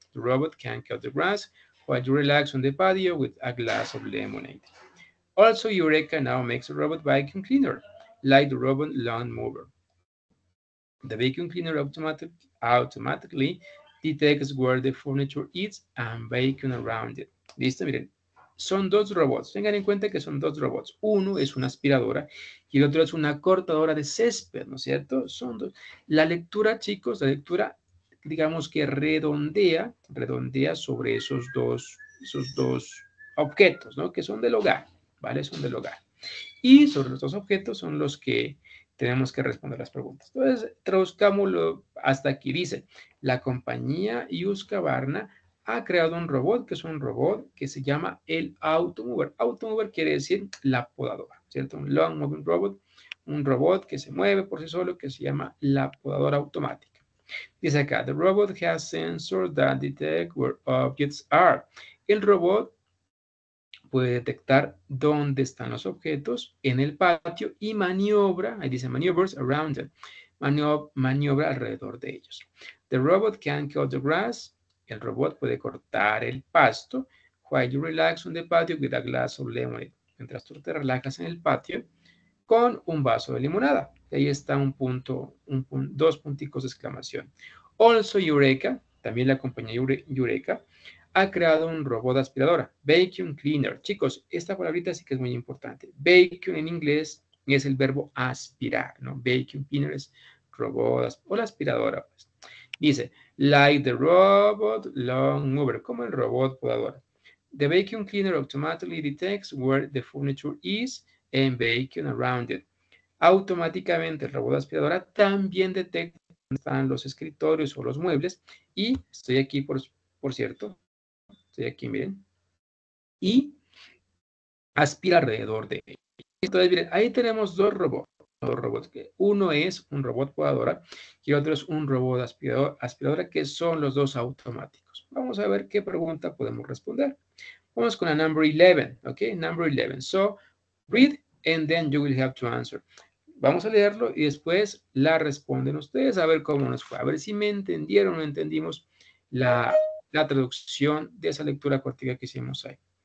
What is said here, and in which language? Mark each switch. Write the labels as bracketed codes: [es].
[en] The robot can cut the grass while you relax on the patio with a glass of lemonade. Also, Eureka now makes a robot vacuum cleaner, like the robot lawn mower. The vacuum cleaner automatically detects where the furniture is and vacuum around it. [es] ¿Listo? Miren, son dos robots. Tengan en cuenta que son dos robots. Uno es una aspiradora y el otro es una cortadora de césped, ¿no es cierto? Son dos. La lectura, chicos, la lectura, digamos que redondea sobre esos dos objetos, ¿no? Que son del hogar, ¿vale? Son del hogar. Y sobre los dos objetos son los que tenemos que responder las preguntas. Entonces, traduzcámoslo hasta aquí. Dice, la compañía Husqvarna ha creado un robot, que es un robot que se llama el automover. Automover quiere decir la podadora, ¿cierto? Un [en] long moving robot, [es] un robot que se mueve por sí solo, que se llama la podadora automática. Dice acá, [en] the robot has sensors that detect where objects are. [es] El robot puede detectar dónde están los objetos en el patio y maniobra, ahí dice [en] maneuvers around them, [es] maniobra alrededor de ellos. [en] The robot can cut the grass. [es] El robot puede cortar el pasto. [en] While you relax on the patio with a glass of lemonade. [es] Mientras tú te relajas en el patio con un vaso de limonada. Y ahí está dos punticos de exclamación. Also Eureka, también la compañía Eureka, ha creado un robot aspiradora, vacuum cleaner. Chicos, esta palabrita sí que es muy importante. Vacuum en inglés es el verbo aspirar, ¿no? Vacuum cleaner es robot o la aspiradora, pues. Dice, [en] like the robot lawn mover, [es] como el robot podador. [en] The vacuum cleaner automatically detects where the furniture is and vacuum around it. [es] Automáticamente el robot aspiradora también detecta dónde están los escritorios o los muebles. Y estoy aquí, por cierto, estoy aquí, miren. Y aspira alrededor de él. Entonces, miren, ahí tenemos dos robots. Uno es un robot podadora y el otro es un robot aspiradora, que son los dos automáticos. Vamos a ver qué pregunta podemos responder. Vamos con la number 11, ¿ok? Number 11. [en] So, read and then you will have to answer. [es] Vamos a leerlo y después la responden ustedes a ver cómo nos fue. A ver si me entendieron o no entendimos la traducción de esa lectura cortica que hicimos ahí.